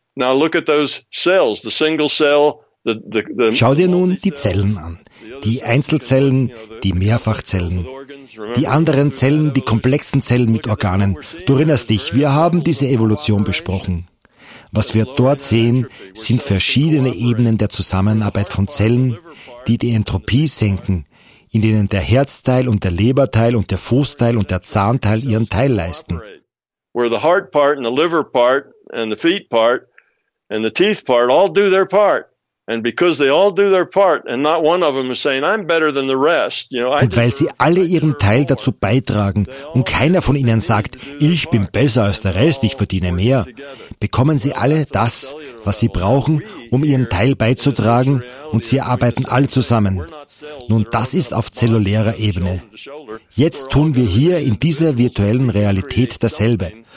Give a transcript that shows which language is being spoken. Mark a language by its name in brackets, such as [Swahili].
[English] Now look at those cells, the single cell, the [German] Schau dir nun die Zellen an. Die Einzelzellen, die Mehrfachzellen, die anderen Zellen, die komplexen Zellen mit Organen. Du erinnerst dich, wir haben diese Evolution besprochen. Was wir dort sehen, sind verschiedene Ebenen der Zusammenarbeit von Zellen, die die Entropie senken, in denen der Herzteil und der Leberteil und der Fußteil und der Zahnteil ihren Teil leisten. [English] Where the heart part and the liver part and the feet part and the teeth part all do their part. And because they all do their part and not one of them is saying I'm better than the rest, you know, [German] und weil sie alle ihren Teil dazu beitragen und keiner von ihnen sagt, ich bin besser als der Rest, ich verdiene mehr, bekommen sie alle das, was sie brauchen, um ihren Teil beizutragen, und sie arbeiten alle zusammen. Nun, das ist auf zellulärer Ebene. Jetzt tun wir hier in dieser virtuellen Realität dasselbe.